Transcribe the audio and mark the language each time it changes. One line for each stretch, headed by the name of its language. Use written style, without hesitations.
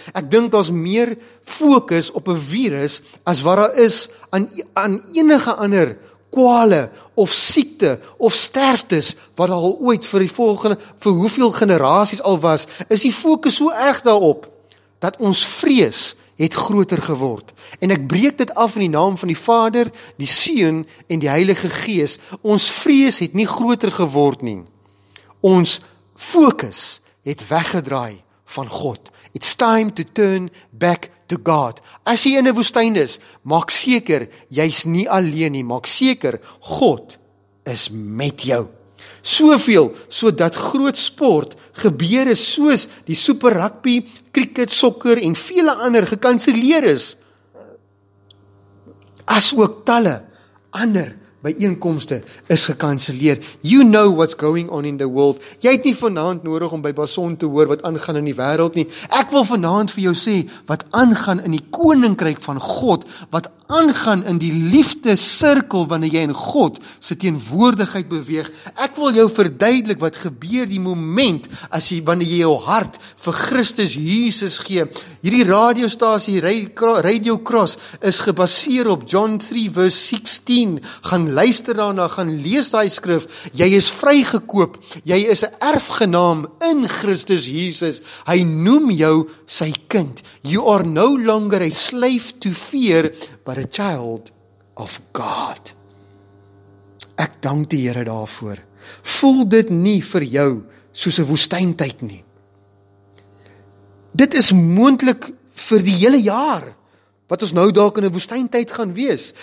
Afrikaans: Ek dink daar's meer fokus op 'n virus as wat daar is aan enige ander kwale of siekte of sterftes wat al ooit vir die volgende, vir hoeveel generasies al was, is die fokus so erg daarop dat ons vrees het groter geword. En ek breek dit af in die naam van die Vader, die Seun en die Heilige Gees. Ons vrees het nie groter geword nie. Ons fokus het weggedraai van God.
English: It's time to turn back to God.
Afrikaans: As jy in 'n woestyn is, maak seker, jy's nie alleen nie, maak seker, God is met jou. Soveel, sodat groot sport gebeur is, soos die super rugby, cricket, sokker en vele ander gekanselleer is, as ook talle ander byeenkomste is gekanselleer.
English: You know what's going on in the world.
Afrikaans: Jy het nie vanaand nodig om by Bason te hoor wat aangaan in die wêreld nie. Ek wil vanaand vir jou sê wat aangaan in die koninkryk van God, wat aangaan in die liefde sirkel wanneer jy in God se teenwoordigheid beweeg. Ek wil jou verduidelik wat gebeur die moment as jy wanneer jy jou hart vir Christus Jesus gee. Hierdie radiostasie Radio Cross is gebaseer op John 3 vers 16. Gaan luister daarna, gaan lees daai skrif. Jy is vrygekoop. Jy is 'n erfgenaam in Christus Jesus. Hy noem jou sy kind.
English: You are no longer a slave to fear, but a child of God.
Afrikaans: Ek dank die Here daarvoor. Voel dit nie vir jou soos 'n woestyntyd nie. Dit is moontlik vir die hele jaar wat ons nou dalk in 'n woestyntyd gaan wees.